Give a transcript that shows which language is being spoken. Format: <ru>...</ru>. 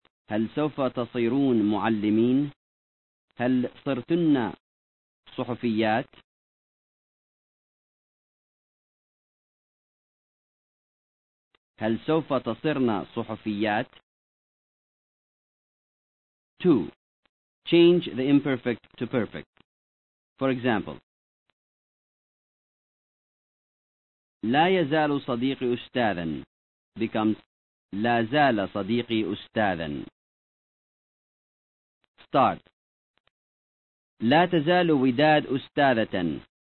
<ar>هل سوف تصيرون معلمين؟ هل صرتن صحفيات؟ هل سوف تصيرن صحفيات؟ 2.</ar> <en>Change the imperfect to perfect. For example,</en> <ar>لا يزال صديقي أستاذا becomes لا زال صديقي أستاذا. Start. لا تزال وداد أستاذة.</ar>